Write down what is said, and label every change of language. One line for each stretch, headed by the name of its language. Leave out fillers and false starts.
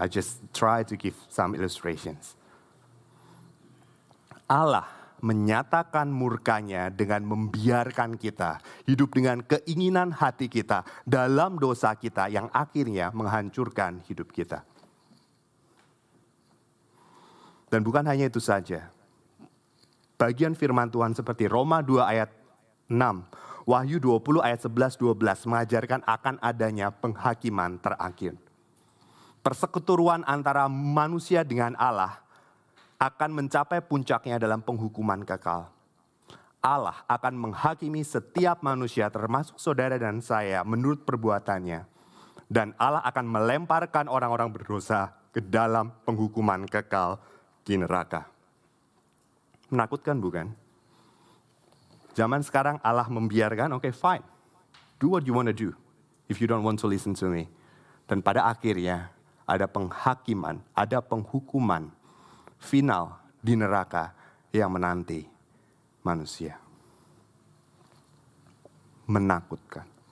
English: I just try to give some illustrations.
Indonesian: Allah menyatakan murkanya dengan membiarkan kita hidup dengan keinginan hati kita dalam dosa kita yang akhirnya menghancurkan hidup kita. Dan bukan hanya itu saja. Bagian firman Tuhan seperti Roma 2 ayat 6, Wahyu 20 ayat 11-12 mengajarkan akan adanya penghakiman terakhir. Persekutuan antara manusia dengan Allah akan mencapai puncaknya dalam penghukuman kekal. Allah akan menghakimi setiap manusia termasuk saudara dan saya menurut perbuatannya. Dan Allah akan melemparkan orang-orang berdosa ke dalam penghukuman kekal di neraka. Menakutkan bukan? Zaman sekarang Allah membiarkan,
English: okay, fine. Do what you want to do if you don't want to listen to me.
Indonesian: Dan pada akhirnya ada penghakiman, ada penghukuman final di neraka yang menanti manusia. Menakutkan.